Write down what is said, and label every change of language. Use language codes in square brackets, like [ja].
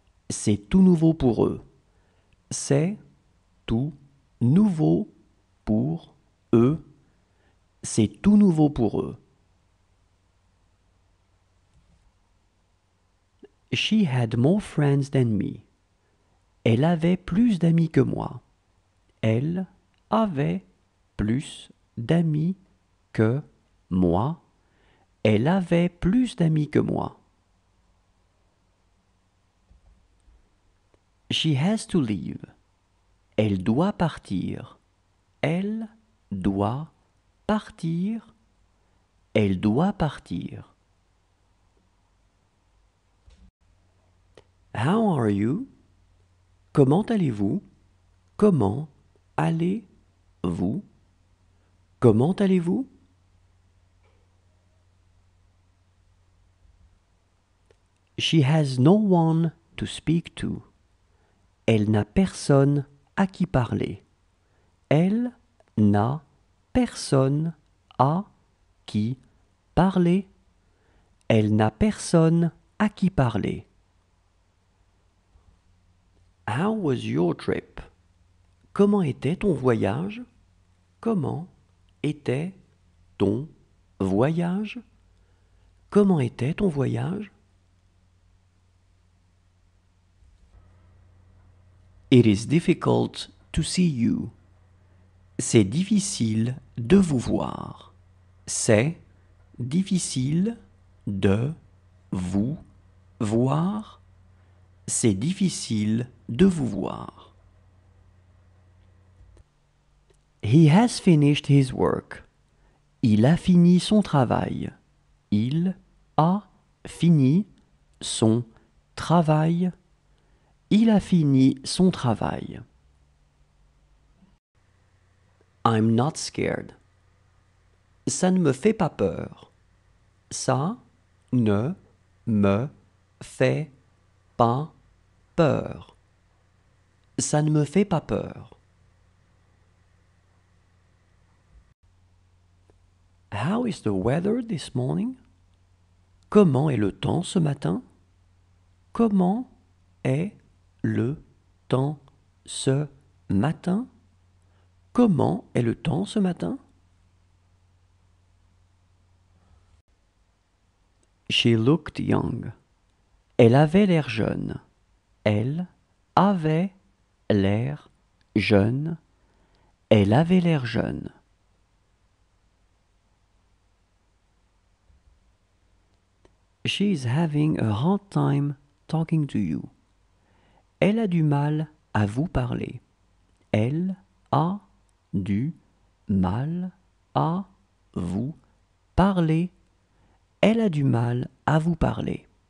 [fr] C'est tout nouveau pour eux. C'est tout nouveau pour eux. C'est tout nouveau pour eux. [en] She had more friends than me. [fr] Elle avait plus d'amis que moi. Elle avait plus d'amis que moi. Elle avait plus d'amis que moi. [en] She has to leave. [fr] Elle doit partir. Elle doit partir. Elle doit partir. [en] How are you? [fr] Comment allez-vous? Comment allez-vous? Comment allez-vous? [en] She has no one to speak to. [fr] Elle n'a personne à qui parler. Elle n'a personne à qui parler. Elle n'a personne à qui parler. [en] How was your trip? [fr] Comment était ton voyage? Comment était ton voyage? Comment était ton voyage? [en] It is difficult to see you. [fr] C'est difficile de vous voir. C'est difficile de vous voir. C'est difficile de vous voir. [en] He has finished his work. [fr] Il a fini son travail. Il a fini son travail. Il a fini son travail. [en] I'm not scared. [fr] Ça ne me fait pas peur. Ça ne me fait pas peur. Ça ne me fait pas peur. [en] How is the weather this morning? [fr] Comment est le temps ce matin? Comment est le temps ce matin? Comment est le temps ce matin? [en] She looked young. [fr] Elle avait l'air jeune. Elle avait l'air jeune. Elle avait l'air jeune. [en] She is having a hard time talking to you. [fr] Elle a du mal à vous parler. Elle a du mal à vous parler. Elle a du mal à vous parler.